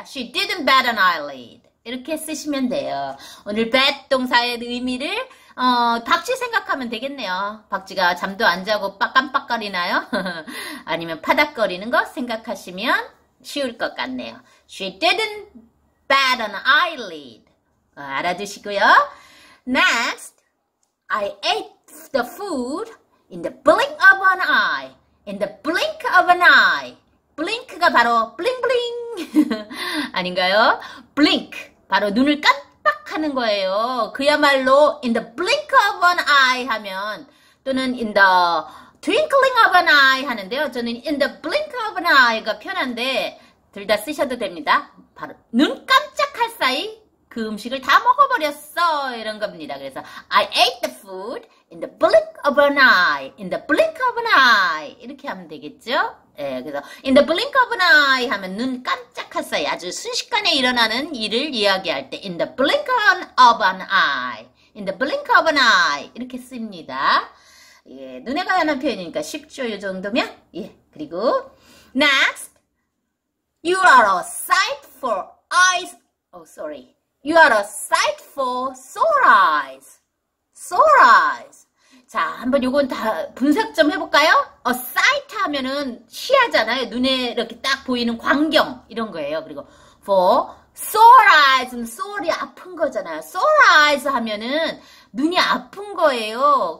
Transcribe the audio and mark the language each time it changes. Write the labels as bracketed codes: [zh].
[en] She didn't bat an eyelid. [ko] 이렇게 쓰시면 돼요. 오늘 bat 동사의 의미를 박쥐 생각하면 되겠네요. 박쥐가 잠도 안 자고 빡깜빡거리나요? 아니면 파닥거리는 거 생각하시면 쉬울 것 같네요. [en] She didn't bat an eyelid. [ko] 알아두시고요. [en] Next, I ate the food in the blink of an eye. In the blink of an eye. Blink가 [ko] 바로 블링블링 아닌가요? [en] Blink [ko] 바로 눈을 깜 하는 거예요. 그야말로 [en] in the blink of an eye [ko] 하면 또는 [en] in the twinkling of an eye [ko] 하는데요. 저는 [en] in the blink of an eye [ko] 가 편한데 둘다 쓰셔도 됩니다. 바로 눈 깜짝할 사이 그 음식을 다 먹어버렸어 이런 겁니다. [en] 그래서 I ate the food in the blink of an eye. In the blink of an eye [ko] 이렇게 하면 되겠죠? 예, 그래서 [en] in the blink of an eye [ko] 하면 눈 깜짝할 사이 아주 순식간에 일어나는 일을 이야기할 때 [en] in the blink of an eye, in the blink of an eye [ko] 이렇게 씁니다. 예, 눈에 관한 표현이니까 쉽죠, 이 정도면. 예, 그리고 [en] next, you are a sight for eyes. Oh, sorry, you are a sight for sore eyes. Sore eyes. [ko] 자, 한번 요건 다 분석 좀 해볼까요? A sight 하면은 시야잖아요. 눈에 이렇게 딱 보이는 광경 이런 거예요. 그리고 for sore eyes는 sore이 아픈 거잖아요. Sore eyes 하면은 눈이 아픈 거예요.